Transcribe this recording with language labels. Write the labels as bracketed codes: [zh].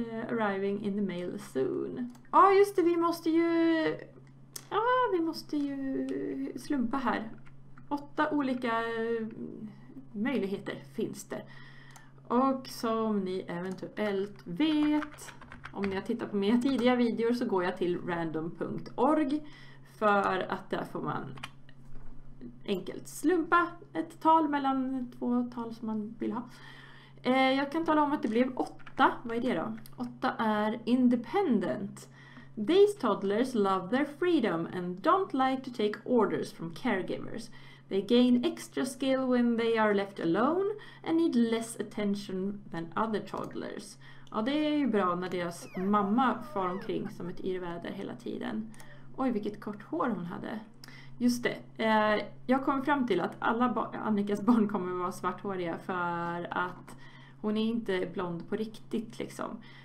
[en] Arriving in the mail soon. [sv] Ja, ah, just det, vi måste ju... Ja, ah, vi måste ju slumpa här. 8 olika möjligheter finns det. Och som ni eventuellt vet, om ni har tittat på mina tidiga videor så går jag till random.org för att där får man enkelt slumpa ett tal mellan 2 tal som man vill ha. Jag kan tala om att det blev 8. Vad är det då? 8 är independent. [en] These toddlers love their freedom and don't like to take orders from caregivers. They gain extra skill when they are left alone and need less attention than other toddlers. [sv] Ja, det är ju bra när deras mamma far omkring som ett yrväder hela tiden. Oj, vilket kort hår hon hade. Just det. Jag kom fram till att alla Annikas barn kommer att vara svarthåriga för att hon är inte blond på riktigt liksom.